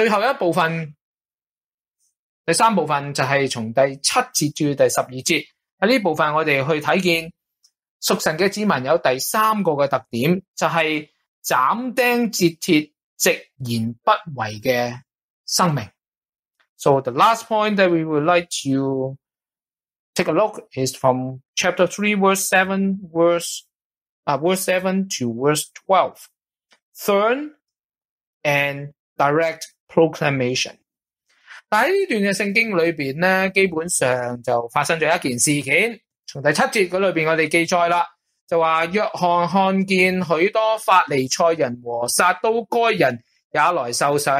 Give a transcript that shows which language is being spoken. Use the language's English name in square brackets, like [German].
[Chinese] 最后一部分，第三部分，就是从第七节至第十二节，在这部分我们去看见属神的子民有第三个的特点，就是斩钉截铁直言不讳的生命。 [English] So the last point that we would like to take a look is from chapter 3 verse 7 verse 7 to verse 12. Thorn and direct proclamation. [Chinese] 但在这段的圣经里面呢，基本上就发生了一件事件，从第七节那里面我们记载了，就话约翰看见许多法利赛人和撒都该人也来受洗。